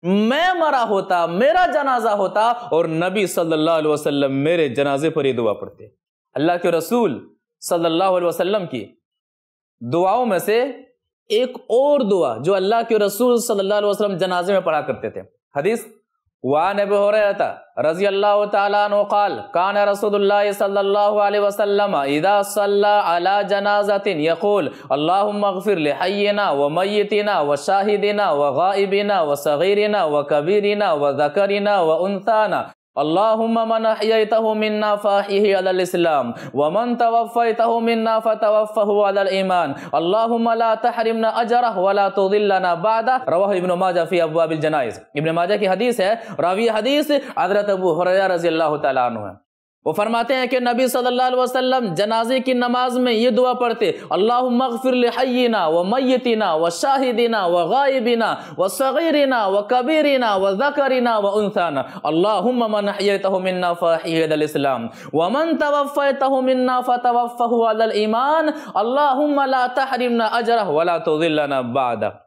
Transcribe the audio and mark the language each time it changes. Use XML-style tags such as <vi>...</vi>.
<ur>میں مرا ہوتا، میرا جنازہ ہوتا اور نبی صلی اللہ علیہ وسلم میرے جنازے پر یہ دعا پڑھتے۔ اللہ کے رسول صلی اللہ علیہ وسلم کی دعاؤں میں سے ایک اور دعا جو اللہ کے رسول صلی اللہ علیہ وسلم جنازے میں پڑھا کرتے تھے، حدیث،</ur> <ar>وعن ابي هريره رضي الله تعالى عنه قال كان رسول الله صلى الله عليه وسلم اذا صلى على جنازه يقول اللهم اغفر لحينا وميتنا وشاهدنا وغائبنا وصغيرنا وكبيرنا وذكرنا وانثانا اللهم من احييته منا فاحيه على الاسلام ومن توفيته منا فتوفه على الايمان اللهم لا تحرمنا اجره ولا تضلنا بعده رواه ابن ماجه في ابواب الجنائز.</ar> <ur>ابن ماجه کی حدیث ہے, راوی حدیث حضرت ابو ہریرہ رضی اللہ تعالی عنہ ہیں, وہ فرماتے ہیں کہ نبی صلی اللہ علیہ وسلم جنازے کی نماز میں یہ دعا پڑھتے,</ur> <ar>اللہم اغفر لحینا ومیتنا وشاہدنا وغائبنا وصغیرنا وکبیرنا وذکرنا وانثانا اللہم من احییتہ منا فاحیہ علی الاسلام ومن توفیتہ منا فتوفہ علی الایمان اللہم لا تحرمنا اجرہ ولا تضلنا بعدہ.</ar>